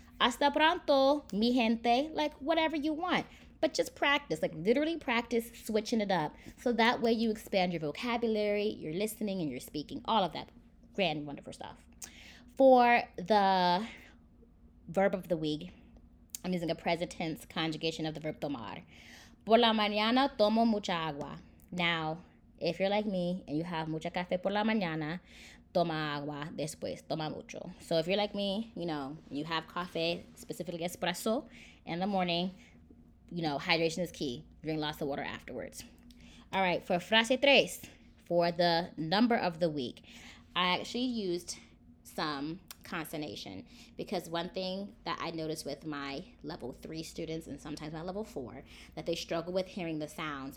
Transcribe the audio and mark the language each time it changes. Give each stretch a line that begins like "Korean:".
Spanish: Hasta pronto, mi gente.
English: Like, whatever you want. But just practice. Like, literally practice switching it up. So that way you expand your vocabulary, your listening, and your speaking. All of that grand, wonderful stuff. For the verb of the week, I'm using a present tense conjugation of the verb tomar.
Spanish: Por la mañana tomo mucha agua.
English: Now, if you're like me and you have
Spanish: mucha café por la mañana, toma agua después, toma mucho.
English: So if you're like me, you know, you have coffee, specifically espresso, in the morning, you know, hydration is key. Drink lots of water afterwards. All right, for frase tres, for the number of the week, I actually used some consonation because one thing that I noticed with my level three students and sometimes my level four, that they struggle with hearing the sounds.